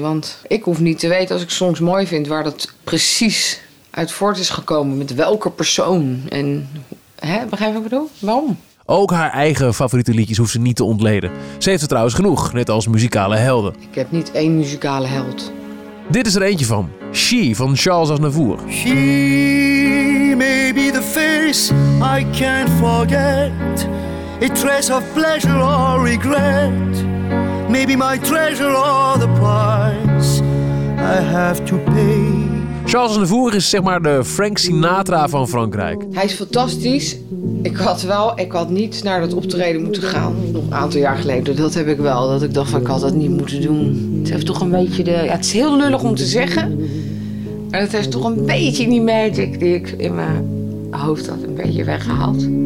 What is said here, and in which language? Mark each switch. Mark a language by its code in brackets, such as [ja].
[nl] Want ik hoef niet te weten, als ik songs mooi vind, waar dat precies uit voort is gekomen. Met welke persoon en... He, begrijp ik wat ik bedoel? Waarom? Ook haar eigen favoriete liedjes hoeft ze niet te ontleden. Ze heeft er trouwens genoeg, net als muzikale helden. Ik heb niet één muzikale held. Dit is er eentje van. She van Charles Aznavour. [en] She may be the face I can't forget. A trace of pleasure or regret. Maybe my treasure or the price I have to pay. [nl] Charles Aznavour is zeg maar de Frank Sinatra van Frankrijk. Hij is fantastisch. Ik had niet naar dat optreden moeten gaan. Nog een aantal jaar geleden. Dat heb ik wel. Dat ik dacht van, ik had dat niet moeten doen. Het heeft toch een beetje de... Ja, het is heel lullig om te zeggen. Maar het heeft toch een beetje die magic die ik in mijn hoofd had een beetje weggehaald.